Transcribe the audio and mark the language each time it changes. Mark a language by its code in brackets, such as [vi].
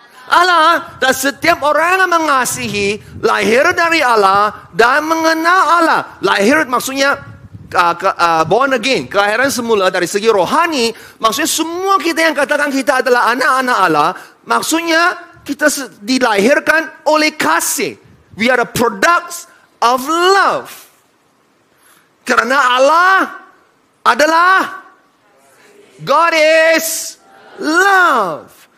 [ms] Allah, dan setiap orang yang mengasihi lahir dari Allah dan mengenal Allah. Lahir maksudnya born again, kelahiran semula dari segi rohani. Maksudnya semua kita yang katakan kita adalah anak-anak Allah, maksudnya kita dilahirkan oleh kasih. [en] We are the products of love. [ms] Karena Allah adalah [en] God is love.